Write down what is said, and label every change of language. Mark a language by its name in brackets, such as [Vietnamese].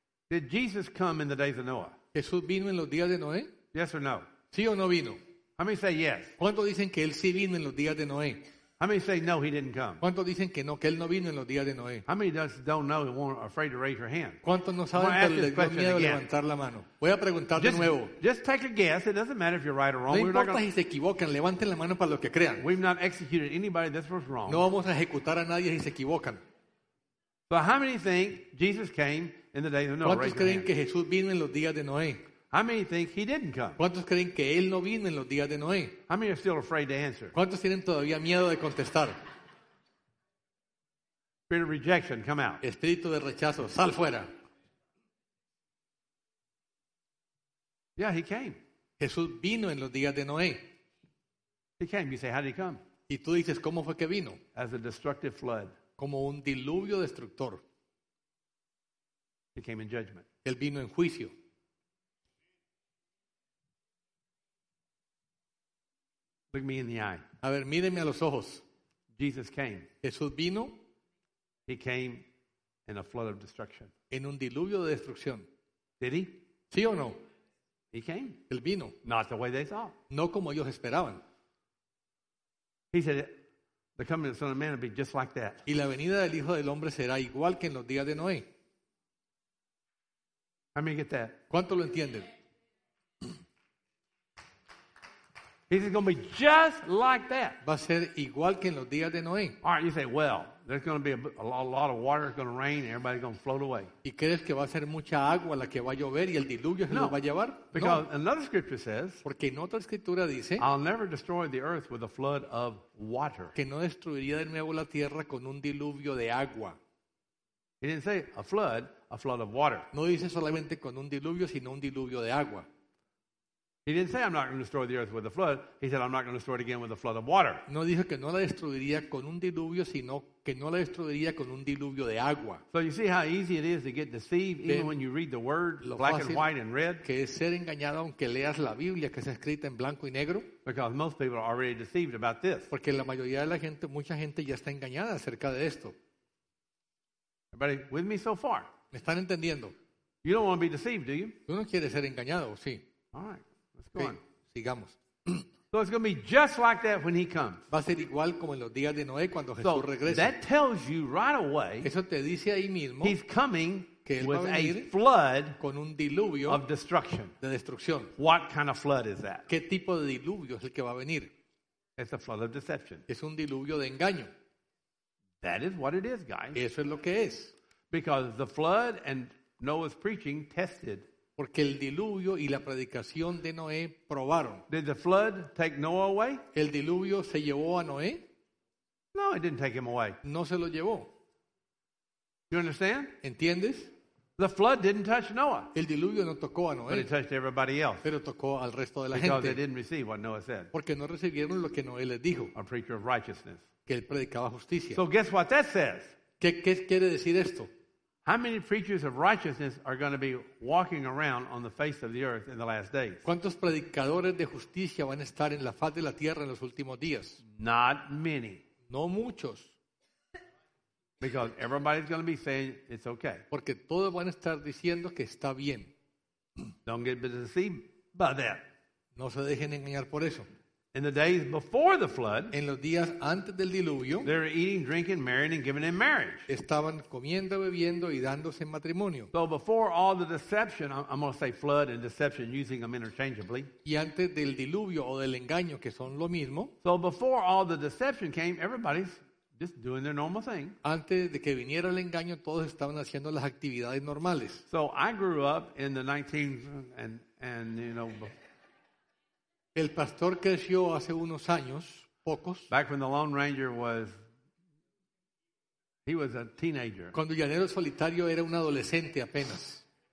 [English] Did Jesus come in the days of Noah? [Spanish] ¿Jesús vino en los días de Noé? [English] Yes or no? [Spanish] ¿Sí o no vino? [English] How many say yes? [Spanish] ¿Cuántos dicen que él sí vino en los días de Noé? [English] How many say no, he didn't come? [Spanish] ¿Cuántos dicen que no, que él no vino en los días de Noé? [English] How many just don't know and weren't afraid to raise your hand? [Spanish] ¿Cuántos no saben que les dio miedo levantar la mano? Voy a preguntar de nuevo. [English] Just take a guess. It doesn't matter if you're right or wrong. [Spanish] No importa si se equivocan. Levanten la mano para lo que crean. [English] We've not executed anybody that was wrong. [Spanish] No vamos a ejecutar a nadie si se equivocan. [English] But how many think Jesus came in the days of Noah? [Spanish] ¿Cuántos creen que Jesús vino en los días de Noé? [English] How many think he didn't come? [Spanish] ¿Cuántos creen que él no vino en los días de Noé? [English] How many are still afraid to answer? [Spanish] ¿Cuántos tienen todavía miedo de contestar? [English] Spirit of rejection, come out. [Spanish] Espíritu de rechazo, sal fuera. [English] Yeah, he came. [Spanish] Jesús vino en los días de Noé. [English] He came. You say, how did he come? [Spanish] Y tú dices, ¿cómo fue que vino? [English] As a destructive flood. [Spanish] Como un diluvio destructor. [English] He came in judgment. [Spanish] Él vino en juicio. [English] Look me in the eye. [Spanish] A ver, míreme a los ojos. [English] Jesus came. [Spanish] Jesús vino. [English] He came in a flood of destruction. [Spanish] En un diluvio de destrucción. [English] Did he? [Spanish] ¿Sí o no? [English] He came. [Spanish] Él vino. [English] Not the way they thought. [Spanish] No como ellos esperaban. [English] He said, the coming of the Son of Man will be just like that. [Spanish] Y la venida del Hijo del Hombre será igual que en los días de Noé. [English] How many get that? [Spanish] ¿Cuánto lo entienden? [English] He says it's going to be just like that. [Spanish] Va a ser igual que en los días de Noé. [English] All right, you say, well, there's going to be a lot of water. It's going to rain. Everybody's going to float away. [Spanish] ¿Y crees que va a ser mucha agua la que va a llover y el diluvio se no. lo va a llevar? [English] Because [Spanish] no. [English] another scripture says, [Spanish] porque en otra escritura dice, [English] I'll never destroy the earth with a flood of water. [Spanish] Que no destruiría de nuevo la tierra con un diluvio de agua. [English] He didn't say a flood of water. [Spanish] No dice solamente con un diluvio, sino un diluvio de agua. [English] He didn't say I'm not going to destroy the earth with a flood. He said I'm not going to destroy it again with a flood of water. [Spanish] No dijo que no la destruiría con un diluvio, sino que no la destruiría con un diluvio de agua. [English] So you see how easy it is to get deceived, even when you read the word black and white and red. [Spanish] Que es ser engañado aunque leas la Biblia que es escrita en blanco y negro. [English] Because most people are already deceived about this. [Spanish] Porque la mayoría de la gente, mucha gente ya está engañada acerca de esto. [English] Everybody with me so far? [Spanish] ¿Me están entendiendo? [English] You don't want to be deceived, do you? [Spanish] ¿Tú no quieres ser engañado, sí? [English] All right. Okay, [Spanish] sigamos. [English] So it's going to be just like that when he comes. [Spanish] Va a ser igual como en los días de Noé cuando Jesús regrese. [English] So that tells you right away. [Spanish] Eso te dice ahí mismo. [English] He's coming [Spanish] que él [English] with [Spanish] va a venir [English] a flood [Spanish] con un diluvio [English] of destruction. [Spanish] De destrucción. [English] What kind of flood is that? [Spanish] ¿Qué tipo de diluvio es el que va a venir? [English] It's a flood of deception. [Spanish] Es un diluvio de engaño. [English] That is what it is, guys. [Spanish] Eso es lo que es. [English] Because the flood and Noah's preaching tested. [Spanish] Porque el diluvio y la predicación de Noé probaron. [English] Did the flood take Noah away? [Spanish] ¿El diluvio se llevó a Noé? [English] No, it didn't take him away. [Spanish] No se lo llevó. [English] You understand? [Spanish] ¿Entiendes? [English] The flood didn't touch Noah. [Spanish] El diluvio no tocó a Noé. [English] But it touched everybody else. [Spanish] Pero tocó al resto de la [English] because [Spanish] gente. [English] They didn't receive what Noah said. [Spanish] Porque no recibieron lo que Noé les dijo. [English] A preacher of righteousness. [Spanish] Que él predicaba justicia. [English] So guess what that says? [Spanish] ¿Qué quiere decir esto? [English] How many preachers of righteousness are going to be walking around on the face of the earth in the last days? [Spanish] ¿Cuántos predicadores de justicia van a estar en la faz de la tierra en los últimos días? [English] Not many. [Spanish] No muchos. [English] Because everybody's going to be saying it's okay. [Spanish] Porque todos van a estar diciendo que está bien. [English] Don't get deceived by that. [Spanish] No se dejen engañar por eso. [English] In the days before the flood, [Spanish] en los días antes del diluvio, [English] they were eating, drinking, marrying, and giving in marriage. [Spanish] Estaban comiendo, bebiendo y dándose en matrimonio. [English] So before all the deception, I'm going to say flood and deception, using them interchangeably. [Spanish] Y antes del diluvio o del engaño, que son lo mismo. [English] So before all the deception came, everybody's just doing their normal thing. [Spanish] Antes de que viniera el engaño, todos estaban haciendo las actividades normales. [English] So I grew up in the 19th and you know. [Spanish] El pastor creció hace unos años, pocos. [English] Back when the Lone Ranger was He was a teenager. [Spanish] Cuando Llanero Solitario era un adolescente apenas.